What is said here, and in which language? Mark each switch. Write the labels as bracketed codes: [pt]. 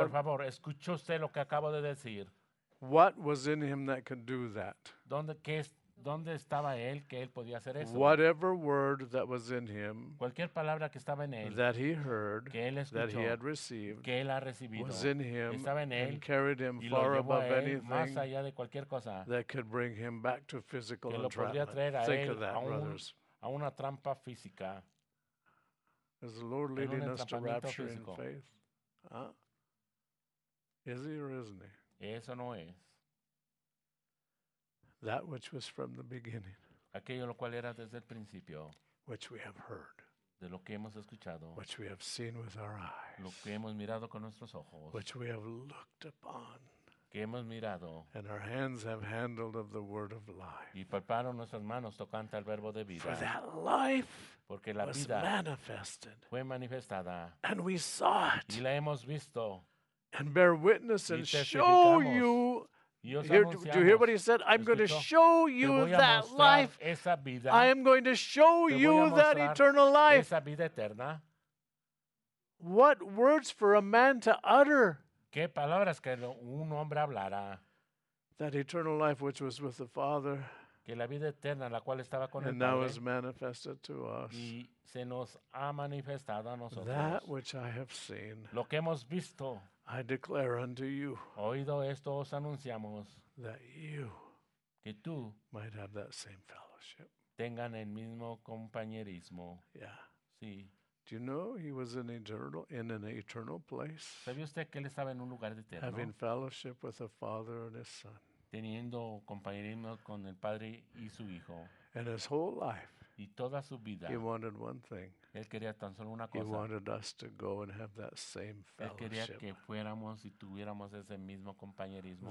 [es] Por favor, ¿escuchó usted lo que acabo de decir? [en] What was in him that could do that? [es] ¿Dónde estaba él que él podía hacer eso? [en] Whatever word that was in him [es] cualquier palabra que estaba en él, [en] that he heard, [es] que él escuchó, [en] that he had received, [es] que él ha recibido, [en] was in him [es] estaba en él, [en] and carried him far above anything [es] más allá de cualquier cosa, [en] that could bring him back to physical entrapment. Think of that, brothers. [es] A una trampa física. [en] Is the Lord leading us to rapture in faith? Is he or isn't he? [es] Eso no es. [en] That which was from the beginning. [es] Aquello lo cual era desde el principio. [en] Which we have heard. [es] De lo que hemos escuchado. [en] Which we have seen with our eyes. [es] Lo que hemos mirado con nuestros ojos. [en] Which we have looked upon. [es] Que hemos mirado. [en] And our hands have handled of the word of life. [es] Y palparon nuestras manos tocante al verbo de vida. [en] For that life. [es] Porque la [en] was [es] vida [en] manifested. [es] Fue manifestada. [en] And we saw it. [es] Y la hemos visto. [en] And bear witness and show you. Here, do you hear what he said? I'm going to show you that life. [es] Esa vida. [en] I am going to show you that eternal life. [es] Esa vida eterna. [en] What words for a man to utter? [es] ¿Qué palabras que un hombre hablara? [en] That eternal life which was with the Father. [es] Que la vida eterna, la cual estaba con [en] and [es] el Padre, [en] now is manifested to us. [es] Y se nos ha manifestado a nosotros. [en] That which I have seen. [es] Lo que hemos visto. [en] I declare unto you [es] oído esto, os anunciamos [en] that you [es] que tú [en] might have that same fellowship. [es] Tengan el mismo compañerismo. [en] Yeah. [es] Sí. [en] Do you know he was in an eternal place? [es] ¿Sabía usted que él estaba en un lugar eterno? [en] Having fellowship with the Father and His Son. [es] Teniendo compañerismo con el Padre y su Hijo. [en] And his whole life. [es] Y toda su vida. [en] He wanted one thing. [es] Él quería tan solo una cosa. [en] He wanted us to go and have that same fellowship. [es] Él quería que fuéramos y tuviéramos ese mismo compañerismo